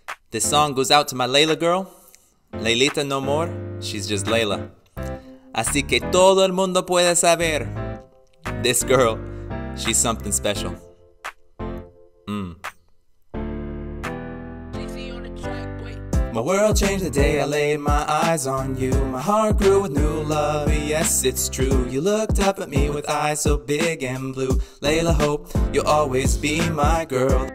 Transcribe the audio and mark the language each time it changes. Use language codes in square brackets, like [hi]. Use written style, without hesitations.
[en] This song goes out to my Layla girl. Laylita no more, she's just Layla. [es] Así que todo el mundo puede saber. [en] This girl, she's something special. My world changed the day I laid my eyes on you. My heart grew with new love, yes it's true. You looked up at me with eyes so big and blue. Layla Hope, you'll always be my girl.